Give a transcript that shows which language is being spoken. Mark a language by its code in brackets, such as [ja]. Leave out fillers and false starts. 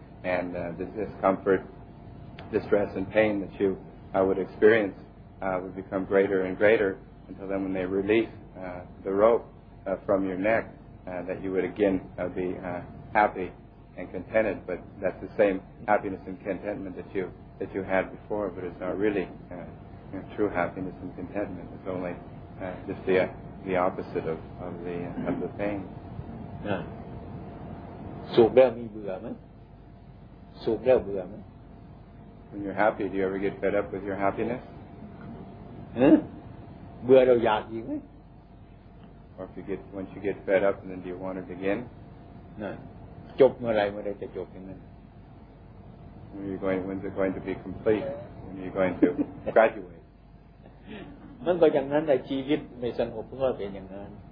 [en] And the discomfort, distress and pain that you would experience would become greater and greater until then when they release the rope from your neck that you would again be happy. And contented, but that's the same happiness and contentment that you had before. But it's not really true happiness and contentment. It's only just the opposite of the pain. Yeah. [th] สุขแล้วมีเบื่อมั้ยสุขแล้วเบื่อมั้ย [en] When you're happy do you ever get fed up with your happiness [th] เบื่อแล้วอยากอีกมั้ย [en] Or if you get once you get fed up and then do you want it again [th] นั่นจบเมื่อไหร่เมื่อใดจะจบอย่างนั้น [en] When are you going, when's it going to be complete? When are you going to graduate? [th] มันก็อย่างนั้นแต่ชีวิตไม่สงบเพราะว่าเป็นอย่างนั้น